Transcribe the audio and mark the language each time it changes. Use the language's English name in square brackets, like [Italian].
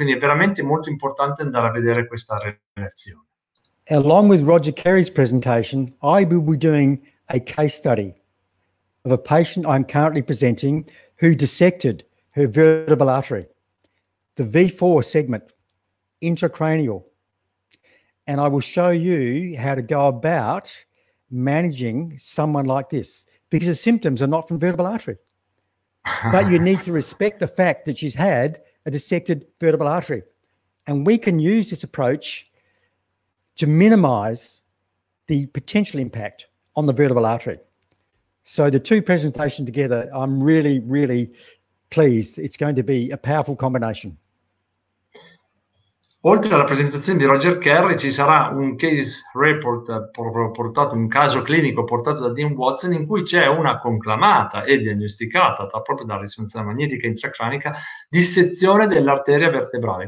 [Italian] Quindi è veramente molto importante andare a vedere questa relazione. [English] Along with Roger Carey's presentation, I will be doing a case study of a patient I'm currently presenting who dissected her vertebral artery, the V4 segment, intracranial. And I will show you how to go about managing someone like this, because the symptoms are not from vertebral artery. But you need to respect the fact that she's had a dissected vertebral artery. And we can use this approach to minimize the potential impact on the vertebral artery. So the two presentations together, I'm really, really, please, it's going to be a powerful combination. [Italian] Oltre alla presentazione di Roger Carey, ci sarà un case report portato, un caso clinico portato da Dean Watson, in cui c'è una conclamata e diagnosticata proprio dalla risonanza magnetica intracranica dissezione dell'arteria vertebrale.